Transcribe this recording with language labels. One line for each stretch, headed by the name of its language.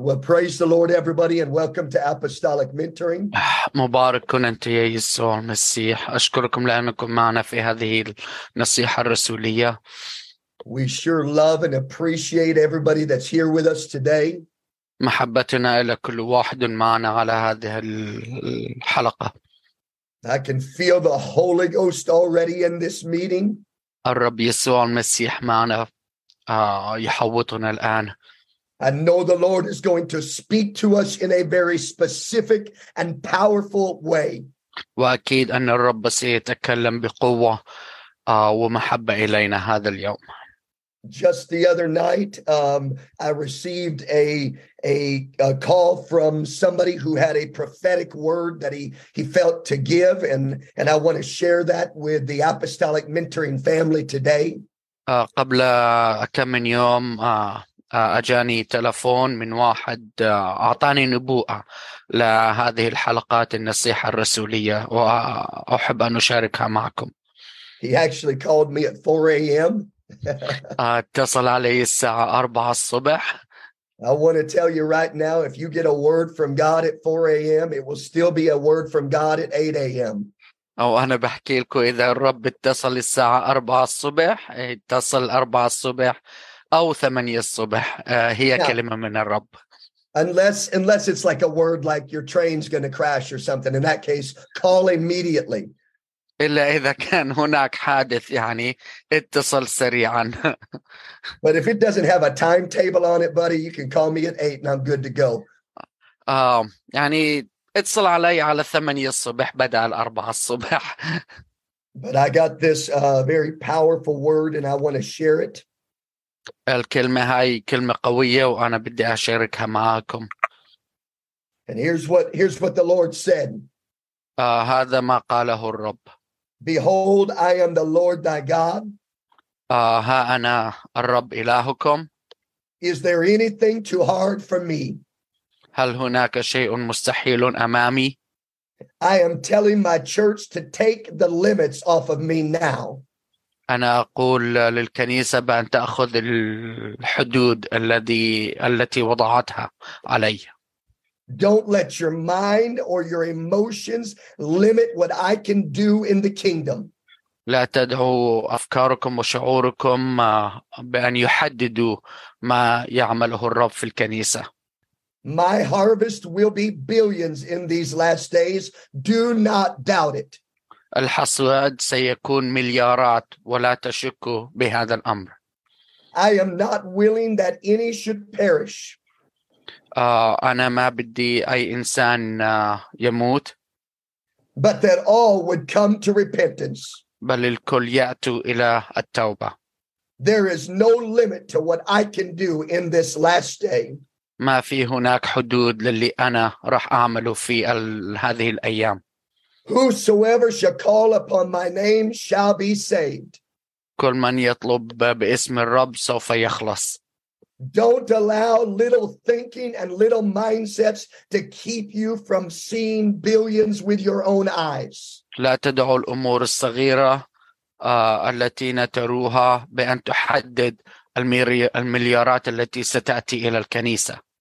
English: Well, praise the Lord, everybody, and welcome to Apostolic Mentoring.
Arabic: مبارك كن أنت يا يسوع المسيح. أشكركم لأنكم معنا في هذه النصيحة الرسولية.
English: We sure love and appreciate everybody that's here with us today.
Arabic: محبتنا إلى كل واحد معنا على هذه الحلقة.
English: I can feel the Holy Ghost already in this meeting.
Arabic: الرب يسوع المسيح معنا يحوطنا الآن.
English: I know the Lord is going to speak to us in a very specific and powerful way.
Arabic: وأكيد أن الرب سيتكلم بقوة ومحبة إلينا هذا اليوم.
English: Just the other night, I received a call from somebody who had a prophetic word that he felt to give, and I want to share that with the Apostolic Mentoring family today.
Arabic: قبل كم من يوم أجاني تلفون من واحد أعطاني نبوءة لهذه الحلقات النصيحة الرسولية وأحب أن أشاركها معكم.
English: He actually called me at 4 a.m.
Arabic: اتصل علي الساعة 4 الصبح.
English: I want to tell you right now, if you get a word from God at 4 a.m., it will still be a word from God at 8 a.m.
Arabic: أو أنا بحكي لكم إذا الرب اتصل الساعة 4 الصبح، اتصل 4 الصبح أو 8 الصبح هي yeah. كلمة من الرب.
English: Unless it's like a word like your train's going to crash or something, in that case, call immediately.
Arabic: إلا إذا كان هناك حادث يعني اتصل سريعا.
English: But if it doesn't have a timetable on it, buddy, you can call me at 8 and I'm good to go.
Arabic: يعني اتصل علي على 8 الصبح بدل 4 الصبح.
English: But I got this very powerful word and I want to share it.
Arabic: الكلمة هاي كلمة قوية وأنا بدي أشاركها معكم.
English: And here's what the Lord said.
Arabic: هذا ما قاله الرب.
English: Behold, I am the Lord thy God.
Arabic: ها أنا الرب إلهكم.
English: Is there anything too hard for me?
Arabic: هل هناك شيء مستحيل أمامي؟
English: I am telling my church to take the limits off of me now.
Arabic: أنا أقول للكنيسة بأن تأخذ الحدود التي وضعتها علي.
English: Don't let your mind or your emotions limit what I can do in the kingdom.
Arabic: لا تدعوا أفكاركم وشعوركم بأن يحددوا ما يعمله الرب في الكنيسة.
English: My harvest will be billions in these last days. Do not doubt it.
Arabic: الحصاد سيكون مليارات ولا تشكوا بهذا الأمر.
English: I am not willing that any should perish.
Arabic: أنا ما بدي أي إنسان يموت.
English: But that all would come to repentance.
Arabic: بل الكل يأتوا إلى التوبة.
English: There is no limit to what I can do in this last day.
Arabic: ما في هناك حدود للي أنا راح أعمله في هذه الأيام.
English: Whosoever shall call upon my name shall be saved.
Arabic: كل من يطلب باسم الرب سوف يخلص.
English: Don't allow little thinking and little mindsets to keep you from seeing billions with your own eyes.
Arabic: لا تدعوا الأمور الصغيرة التي نتروها بأن تحدد المليارات التي ستأتي إلى الكنيسة.